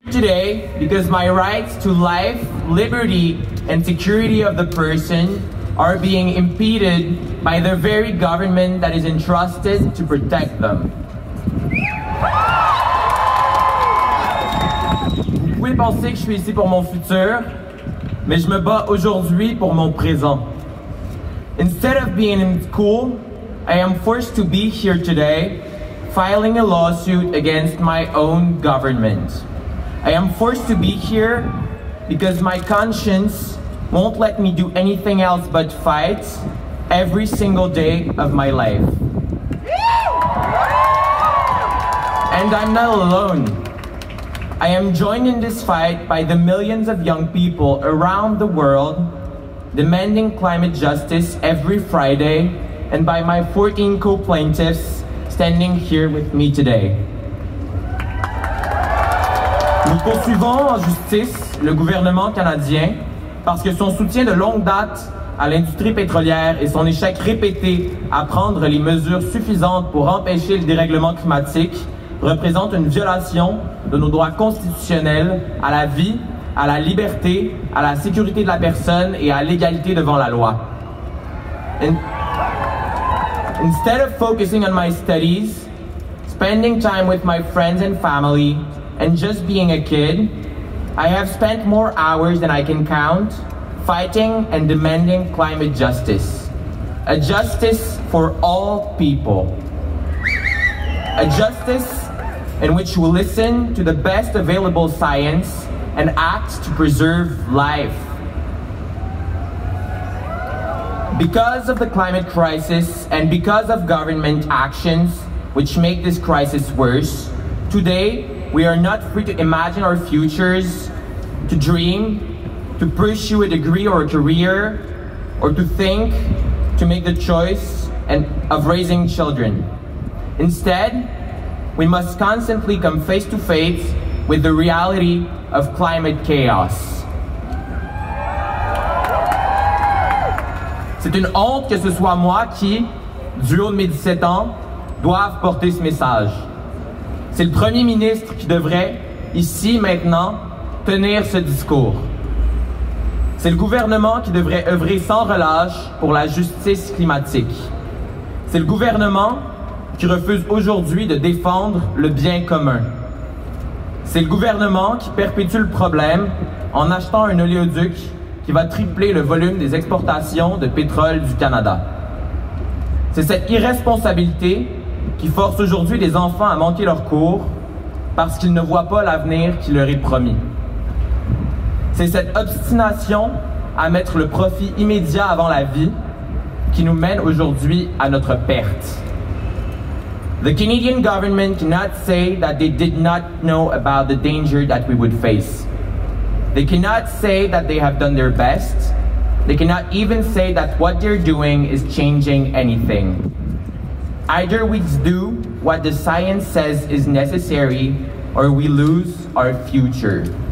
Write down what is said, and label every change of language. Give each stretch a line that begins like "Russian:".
English: today because my rights to life, liberty, and security of the person are being impeded by the very government that is entrusted to protect them.
French: Vous pouvez penser que je suis ici pour mon futur, mais je me bats aujourd'hui pour mon présent.
English: Instead of being in school, I am forced to be here today, filing a lawsuit against my own government. I am forced to be here because my conscience won't let me do anything else but fight every single day of my life. And I'm not alone. I am joined in this fight by the millions of young people around the world demanding climate justice every Friday, and by my 14 co-plaintiffs standing here with me today.
French: Nous poursuivons en justice le gouvernement canadien parce que son soutien de longue date à l'industrie pétrolière et son échec répété à prendre les mesures suffisantes pour empêcher le dérèglement climatique représente une violation de nos droits constitutionnels à la vie, à la liberté, à la sécurité de la personne et à l'égalité devant la loi.
English: Instead of focusing on my studies, spending time with my friends and family, and just being a kid, I have spent more hours than I can count fighting and demanding climate justice. A justice for all people. A justice in which you listen to the best available science and act to preserve life. Because of the climate crisis and because of government actions which make this crisis worse, today we are not free to imagine our futures, to dream, to pursue a degree or a career, or to think, to make the choice of raising children. Instead, we must constantly come face to face with the reality of climate chaos.
French: C'est une honte que ce soit moi qui, du haut de mes 17 ans, doive porter ce message. C'est le premier ministre qui devrait, ici, maintenant, tenir ce discours. C'est le gouvernement qui devrait œuvrer sans relâche pour la justice climatique. C'est le gouvernement qui refuse aujourd'hui de défendre le bien commun. C'est le gouvernement qui perpétue le problème en achetant un oléoduc qui va tripler le volume des exportations de pétrole du Canada. C'est cette irresponsabilité qui force aujourd'hui les enfants à manquer leur cours parce qu'ils ne voient pas l'avenir qui leur est promis. C'est cette obstination à mettre le profit immédiat avant la vie qui nous mène aujourd'hui à notre perte.
English: The Canadian government cannot say that they did not know about the danger that we would face. They cannot say that they have done their best. They cannot even say that what they're doing is changing anything. Either we do what the science says is necessary, or we lose our future.